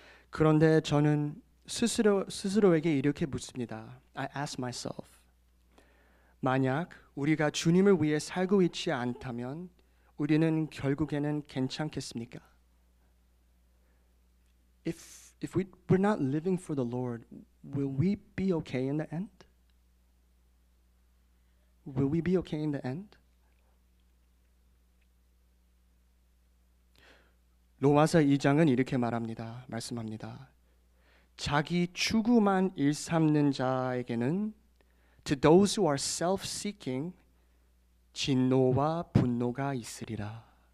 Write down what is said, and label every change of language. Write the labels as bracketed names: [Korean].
[Korean] 그런데 저는 스스로에게 이렇게 묻습니다. [English] I ask myself. [Korean] 만약 우리가 주님을 위해 살고 있지 않다면 우리는 결국에는 괜찮겠습니까? [English] If we're not living for the Lord, will we be okay in the end? Will we be okay in the end? [Korean] 로마서 2장은 이렇게 말씀합니다. 자기 추구만 일삼는 자에게는 [English] To those who are self-seeking, [Korean] 진노와 분노가 있으리라.